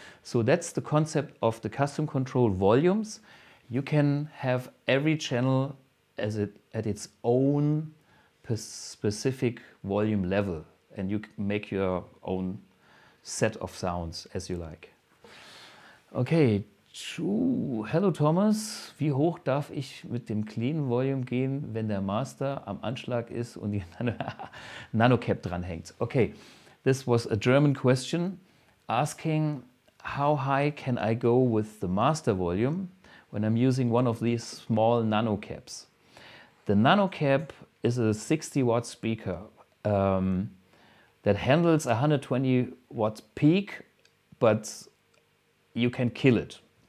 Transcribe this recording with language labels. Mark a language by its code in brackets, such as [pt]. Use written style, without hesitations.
[en] So that's the concept of the custom control volumes. You can have every channel as it at its own specific volume level, and you make your own set of sounds as you like. [de] Okay, hello Thomas, wie hoch darf ich mit dem clean volume gehen, wenn der Master am Anschlag ist und die Nanocap dranhängt? [en] Okay, this was a German question asking how high can I go with the master volume when I'm using one of these small nano caps. The nano cap is a 60 watt speaker that handles 120 watt peak, but you can kill it.